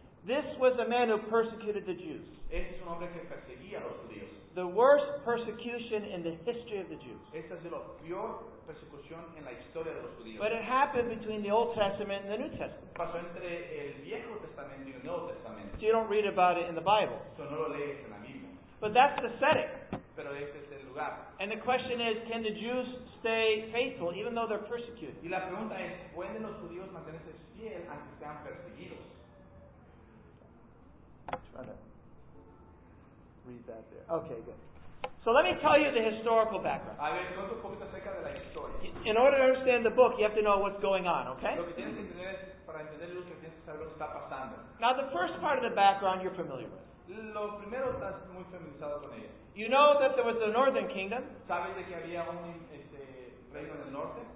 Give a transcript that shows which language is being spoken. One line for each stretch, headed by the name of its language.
English: This was a man who persecuted the Jews.
Spanish: Este es un hombre que perseguía a los judíos.
English: The worst persecution in the history of the Jews.
Spanish: Esta es la peor persecución en la historia de los judíos.
English: But it happened between the Old Testament and the New Testament.
Spanish: Pasó entre el Viejo Testamento y el Nuevo Testamento.
English: So you don't read about it in the Bible.
Spanish: So no lo lees en la Biblia.
English: But that's the setting.
Spanish: Pero este es el lugar.
English: And the question is, can the Jews stay faithful even though they're persecuted?
Spanish: Y la pregunta es, ¿pueden los judíos mantenerse fiel aunque sean perseguidos?
English: Try to read that there. Okay, good. So let me tell you the historical background.
Spanish: A ver, cuento un poquito acerca de la historia.
English: In order to understand the book, you have to know what's going on, okay?
Spanish: Lo que tienes que entender es, para entender lo que tienes que saber lo que está pasando.
English: Now the first part of the background you're familiar with.
Spanish: Lo primero estás muy familiarizado con ella.
English: You know that there was the northern kingdom.
Spanish: ¿Sabes de que había un, reino en el norte?